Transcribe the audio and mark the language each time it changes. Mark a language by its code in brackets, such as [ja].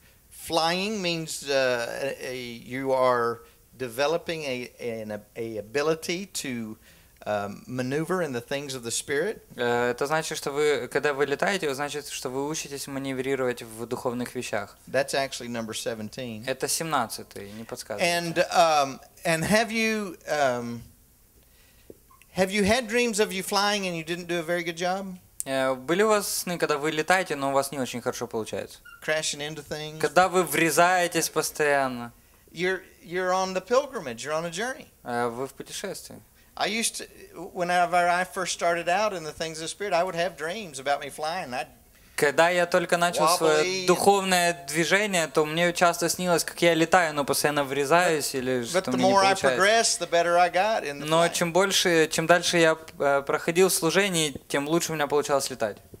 [en] Flying means you are developing an ability to maneuver in the things of the spirit. [ru] Это значит, что вы когда вы летаете, значит, что вы учитесь маневрировать в духовных вещах. [en] That's actually number 17. [ru] Это 17-й, не подсказывает. [en] And have you had dreams of you flying and you didn't do a very good job? [ru] Были у вас сны, когда вы летаете, но у вас не очень хорошо получается. [en] Crashing into things. [ru] Когда вы врезаетесь постоянно. [en] You're on the pilgrimage, you're on a journey. [ru] Вы в путешествии. [en] I used to, whenever I first started out in the things of the spirit, I would have dreams about me flying. [ru] Когда я только начал свое духовное движение, то мне часто снилось, как я летаю, но постоянно врезаюсь или что-то не получается. Но чем больше, чем дальше я проходил служение, тем лучше у меня получалось летать.